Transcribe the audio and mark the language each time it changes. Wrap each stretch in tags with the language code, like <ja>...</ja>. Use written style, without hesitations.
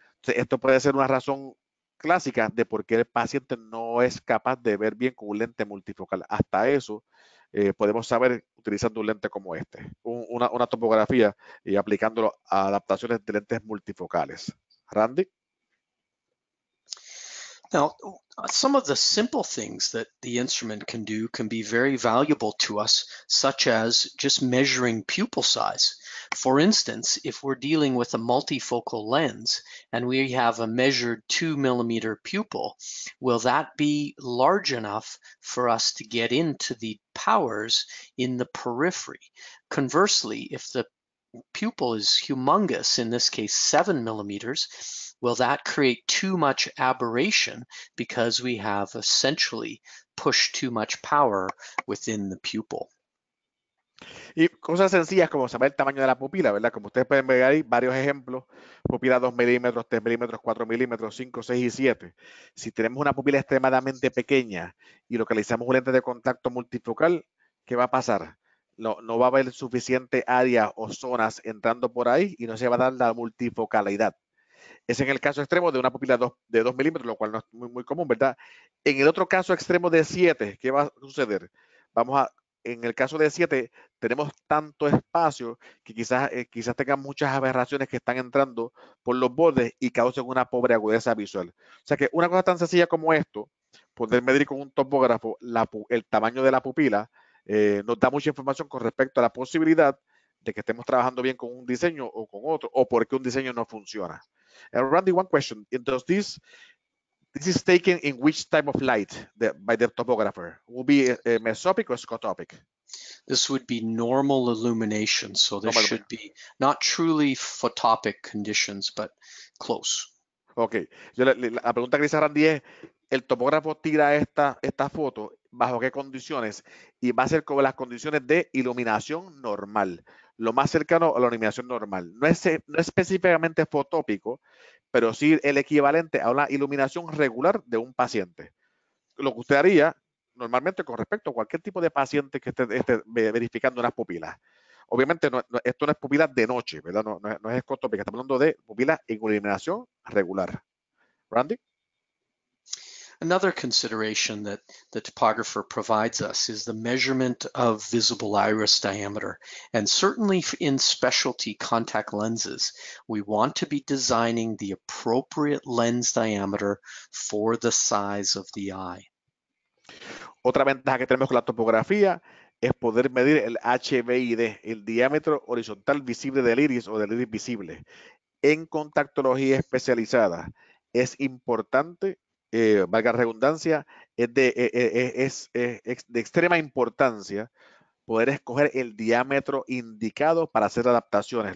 <es>Entonces, esto puede ser una razón clásica de por qué el paciente no es capaz de ver bien con un lente multifocal. Hasta eso podemos saber utilizando un lente como este, una topografía y aplicándolo a adaptaciones de lentes multifocales. Randy.</es> <en>Now, some of the simple things that the instrument can do can be very valuable to us, such as just measuring pupil size. For instance, if we're dealing with a multifocal lens and we have a measured 2 millimeter pupil, will that be large enough for us to get into the powers in the periphery? Conversely, if the pupil is humongous, in this case 7 millimeters, will that create too much aberration because we have essentially pushed too much power within the pupil?</en> <es>Y cosas sencillas como saber el tamaño de la pupila, ¿verdad? Como ustedes pueden ver ahí, varios ejemplos, pupila 2 milímetros, 3 milímetros, 4 milímetros, 5, 6 y 7. Si tenemos una pupila extremadamente pequeña y localizamos un lente de contacto multifocal, ¿qué va a pasar? No va a haber suficiente área o zonas entrando por ahí y no se va a dar la multifocalidad. Es en el caso extremo de una pupila de 2 milímetros, lo cual no es muy, muy común, ¿verdad? En el otro caso extremo de 7, ¿qué va a suceder? En el caso de 7, tenemos tanto espacio que quizás tengan muchas aberraciones que están entrando por los bordes y causen una pobre agudeza visual. O sea que una cosa tan sencilla como esto, poder medir con un topógrafo el tamaño de la pupila, nos da mucha información con respecto a la posibilidad de que estemos trabajando bien con un diseño o con otro, o por qué un diseño no funciona.</es> <en>Randy, one question. Does this is taken in which type of light by the topographer? Will be a mesopic or scotopic? This would be normal illumination, so this Normal. should be not truly photopic conditions, but close. Ok.</en> <es>La pregunta que dice Randy es, ¿el topógrafo tira esta foto bajo qué condiciones? Y va a ser como las condiciones de iluminación normal, lo más cercano a la iluminación normal. No es específicamente fotópico, pero sí el equivalente a una iluminación regular de un paciente. Lo que usted haría normalmente con respecto a cualquier tipo de paciente que esté verificando unas pupilas. Obviamente no, esto no es pupila de noche, ¿verdad? No es escotópica, estamos hablando de pupila en iluminación regular. Randy.</es> <en>Another consideration that the topographer provides us is the measurement of visible iris diameter. And certainly in specialty contact lenses, we want to be designing the appropriate lens diameter for the size of the eye.</en> <es>Otra ventaja que tenemos con la topografía es poder medir el HVID, el diámetro horizontal visible del iris o del iris visible. En contactología especializada es importante, valga la redundancia, es de extrema importancia poder escoger el diámetro indicado para hacer adaptaciones.</es>